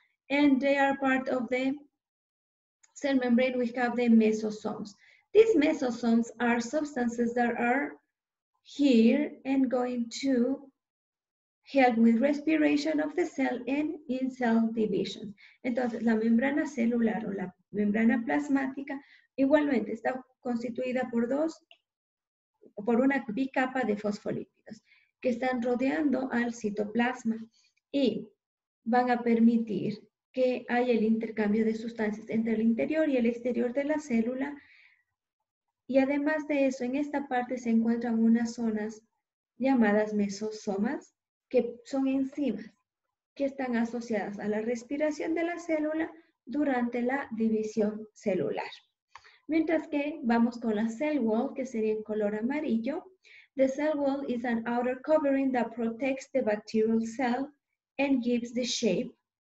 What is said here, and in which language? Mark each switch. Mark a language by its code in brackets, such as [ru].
[en] And they are part of the cell membrane, we have the mesosomes. These mesosomes are substances that are here and going to help with respiration of the cell and in cell division. [es] Entonces, la membrana celular o la membrana plasmática igualmente está constituida por dos, por una bicapa de fosfolípidos que están rodeando al citoplasma. Y van a permitir que haya el intercambio de sustancias entre el interior y el exterior de la célula. Y además de eso, en esta parte se encuentran unas zonas llamadas mesosomas, que son enzimas que están asociadas a la respiración de la célula durante la división celular. Mientras que vamos con la cell wall, que sería en color amarillo. [en] The cell wall is an outer covering that protects the bacterial cell and gives the shape.